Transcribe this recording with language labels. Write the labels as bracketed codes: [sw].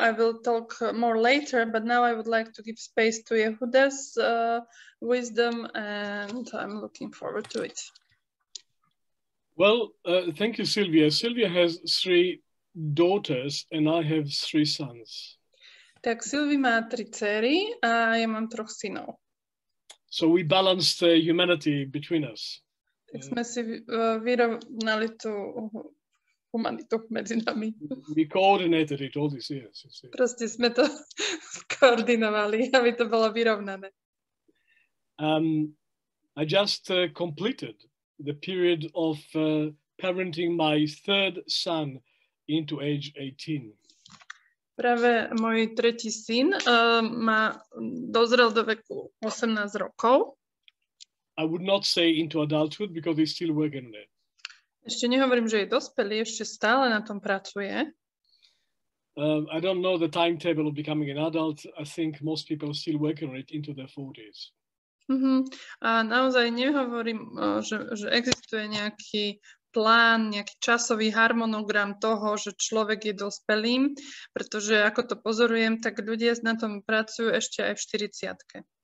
[en] I will talk more later, but now I would like to give space to Yehuda's wisdom and I'm looking forward to it. Well, thank you, Silvia. Silvia has three daughters and I have three sons. [sk] Tak Silvia má tri dcery a ja mám troch synov. [en] So we balance the humanity between us. [sk] Tak sme si vyrovnali tú humanitu medzi nami. [en] We coordinated it all these years. [sk] Proste sme to skoordinovali, aby to bolo vyrovnané. [en] I just completed the period of parenting my third son into age 18. [sk] Práve môj tretí syn ma dozrel do veku 18 rokov. [en] I would not say into adulthood because he's still working on it. [sk] Ešte nehovorím, že je dospelý, ešte stále na tom pracuje. [en] I don't know the timetable of becoming an adult. I think most people are still working on it into their 40s. Mm-hmm. [sk] A naozaj nehovorím, že existuje nejaký plán, nejaký časový harmonogram toho, že človek je dospelým, pretože ako to pozorujem, tak ľudia na tom pracujú ešte aj v 40-ke.